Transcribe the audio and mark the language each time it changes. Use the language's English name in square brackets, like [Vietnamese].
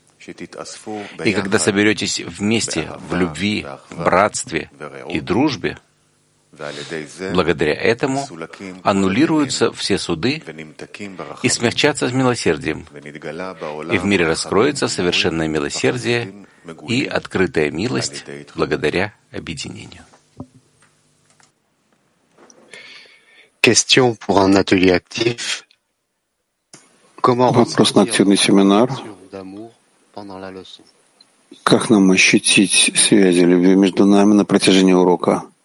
[Russian] И когда соберетесь вместе в любви, братстве и дружбе, благодаря этому аннулируются все суды и смягчатся с милосердием, и в мире раскроется совершенное милосердие и открытая милость благодаря объединению. [French] Question pour un atelier actif. [Russian] Вопрос на активный семинар. Как нам ощутить связи любви между нами на протяжении урока?